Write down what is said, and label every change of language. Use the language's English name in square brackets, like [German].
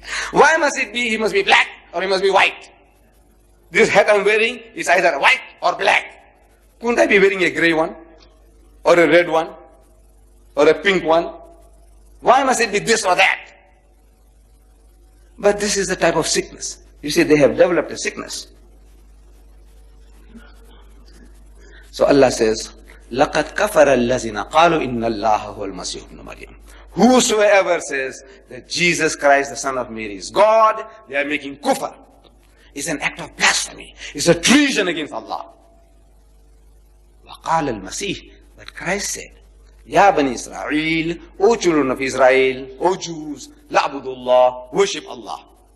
[English] Why must it be he must be black or he must be white? This hat I'm wearing is either white or black. Couldn't I be wearing a gray one? Or a red one? Or a pink one? Why must it be this or that? But this is the type of sickness. You see, they have developed a sickness. So Allah says, [Arabic] لَقَدْ كَفَرَ الَّذِينَ قَالُوا إِنَّ اللَّهَ هُوَ الْمَسِيحُ بْنُ مَرْيَمُ. [English] Whosoever says that Jesus Christ, the Son of Mary, is God, they are making kufr. It's an act of blasphemy. It's a treason against Allah. [Arabic] وَقَالَ الْمَسِيحُ. [English] But Christ said, [Arabic] يَا بَنِي إِسْرَائِيلُ, [English] O children of Israel, O Jews, [Arabic] لَعْبُدُ اللَّهُ, [English] worship Allah.